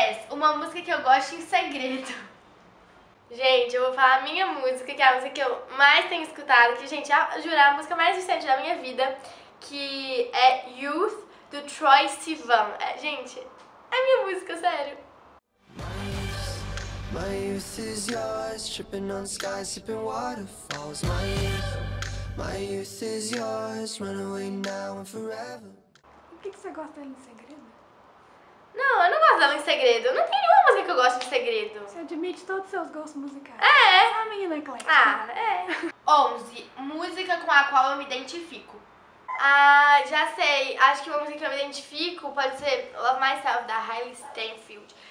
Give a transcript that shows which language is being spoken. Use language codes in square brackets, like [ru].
[pt] Uma música que eu gosto em segredo. Gente, eu vou falar a minha música, que é a música que eu mais tenho escutado, que, gente, jurar, a música mais recente da minha vida, que é Youth, do Troye Sivan. É, gente, é minha música, sério. [en] My youth is yours, tripping on skies, sipping waterfalls. My youth is yours, run away now and forever. [pt] O que você gosta em segredo? Não, eu não gosto dela em segredo. Não tem nenhuma música que eu gosto de segredo. Você admite todos os seus gostos musicais. É. É a minha eclética. Ah, é. 11, música com a qual eu me identifico. Ah, já sei. Acho que uma música que eu me identifico pode ser Love Myself, da Hailee Steinfeld.